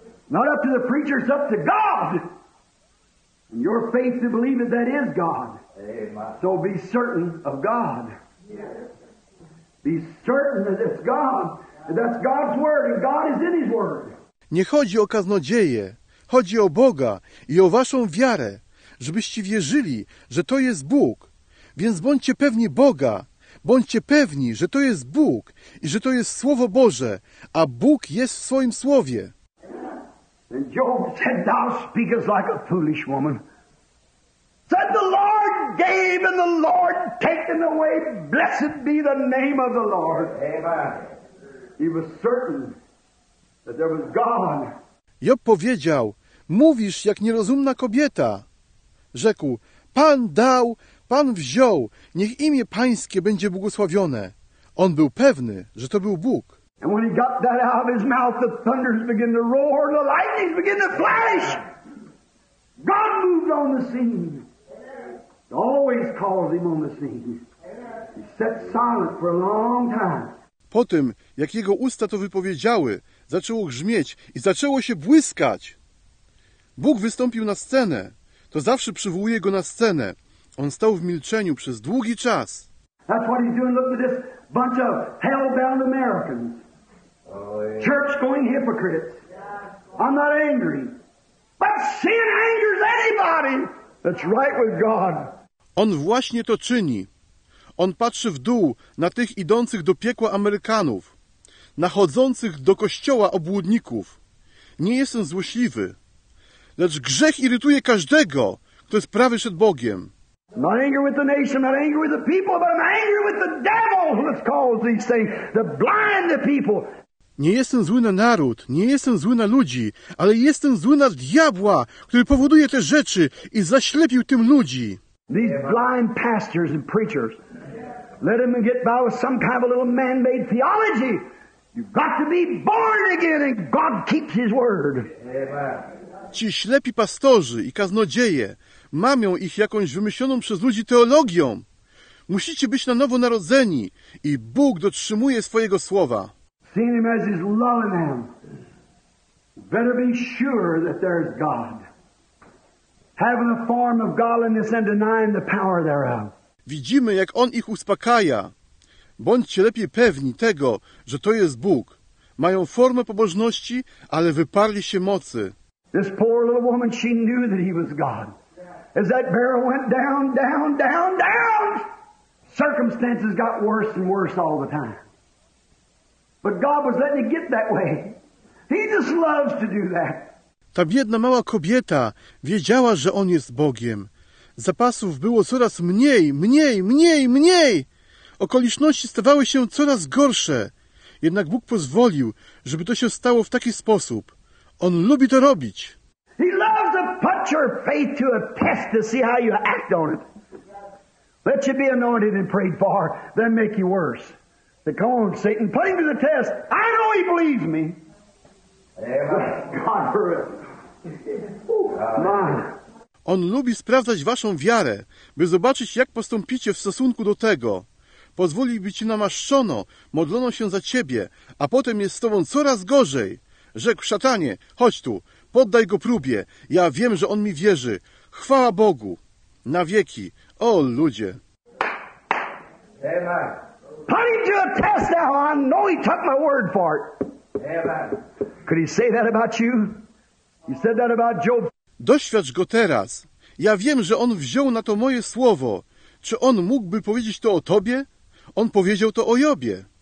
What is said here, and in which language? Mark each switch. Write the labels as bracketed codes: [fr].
[en] Not up to the preacher, it's up to God. And your faith to believe that that is God. So be certain of God. Be certain that it's God. That's God's word, and God is in His word. [pl] Nie chodzi o kaznodzieje. Chodzi o Boga i o waszą wiarę. Żebyście wierzyli, że to jest Bóg. Więc bądźcie pewni Boga. Bądźcie pewni, że to jest Bóg i że to jest Słowo Boże, a Bóg jest w swoim Słowie. [en] And Job said, thou speakest like a foolish woman. Said, the Lord gave and the Lord taken away. Blessed be the name of the Lord. Amen. He was certain that there was God. [pl] Job powiedział, mówisz jak nierozumna kobieta. Rzekł, Pan dał, Pan wziął, niech imię Pańskie będzie błogosławione. On był pewny, że to był Bóg. [en] And when he got that out of his mouth, the thunders began to roar, the lightnings began to flash. God moved on the scene. He always calls him on the scene. He sat silent for a long time. [pl] Po tym, jak jego usta to wypowiedziały, zaczęło grzmieć i zaczęło się błyskać. Bóg wystąpił na scenę. To zawsze przywołuje go na scenę. On stał w milczeniu przez długi czas. [en] That's what he's doing. Look at this bunch of hell-bound Americans. Church-going hypocrites. I'm not angry. But sin angers anybody that's right with God. [pl] On właśnie to czyni. On patrzy w dół na tych idących do piekła Amerykanów, na chodzących do kościoła obłudników. Nie jestem złośliwy, lecz grzech irytuje każdego, kto jest prawy przed Bogiem. [en] I'm not angry with the nation, I'm not angry with the people, but I'm angry with the devil who has caused these things, to blind the people. [pl] Nie jestem zły na naród, nie jestem zły na ludzi, ale jestem zły na diabła, który powoduje te rzeczy i zaślepił tym ludzi. [en] These blind pastors and preachers, let them get by with some kind of a little man-made theology. You've got to be born again and God keeps His word. [pl] Ci ślepi pastorzy i kaznodzieje mamią ich jakąś wymyśloną przez ludzi teologią. Musicie być na nowo narodzeni i Bóg dotrzymuje swojego słowa. [en] Seeing him as he's loving them, better be sure that there is God. Having a form of godliness and denying the power thereof. [pl] Widzimy, jak on ich uspokaja. Bądźcie lepiej pewni tego, że to jest Bóg. Mają formę pobożności, ale wyparli się mocy. [en] This poor little woman, she knew that he was God. As that barrel went down, down, down, down, circumstances got worse and worse all the time. But God was letting it get that way. He just loves to do that. [pl] Ta biedna mała kobieta wiedziała, że on jest Bogiem. Zapasów było coraz mniej, mniej, mniej, mniej. Okoliczności stawały się coraz gorsze. Jednak Bóg pozwolił, żeby to się stało w taki sposób. On lubi to robić. [en] He loves to put your faith to a test to see how you act on it. Let you be anointed and prayed for, then make you worse. Come on, Satan, put him to the test. I know he believes me. God for it. [pl] On lubi sprawdzać waszą wiarę, by zobaczyć, jak postąpicie w stosunku do tego. Pozwoli, by ci namaszczono, modlono się za ciebie, a potem jest z tobą coraz gorzej. Rzekł: szatanie, chodź tu, poddaj go próbie. Ja wiem, że on mi wierzy. Chwała Bogu. Na wieki. O, ludzie. [en] Amen. Honey, do a test now. I know he took my word for it. Amen. Could he say that about you? He said that about Job. [pl] Doświadcz go teraz. Ja wiem, że on wziął na to moje słowo. Czy on mógłby powiedzieć to o tobie? On powiedział to o Jobie.